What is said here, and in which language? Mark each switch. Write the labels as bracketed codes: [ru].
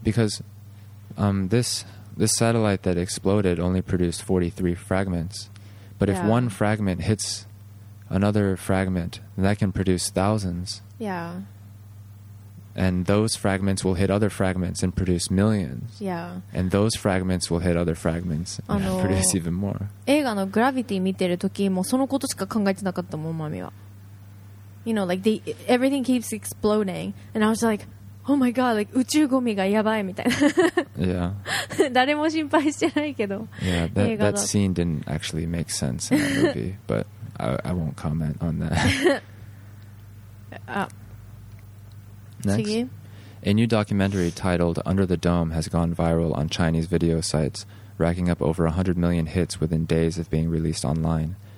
[en] Because this satellite that exploded only produced 43 fragments. But if one fragment hits another fragment, that can produce thousands. Yeah. And those fragments will hit other fragments and produce millions. Yeah. And those fragments will hit other fragments and produce even more. [ja] 映画のグラビティ見てる時もそのことしか考えてなかったもん、マミは。 [en] You know, like, everything keeps exploding. And I was like... Oh my god, like, [ja] 宇宙ゴミがやばいみたいな。 [en] Yeah. [ja] 誰も心配してないけど。 [en] Yeah, that scene didn't actually make sense in the movie, but I won't comment on that. [ja] 次? [en] A new documentary titled Under the Dome has gone viral on Chinese video sites, racking up over 100 million hits within days of being released online.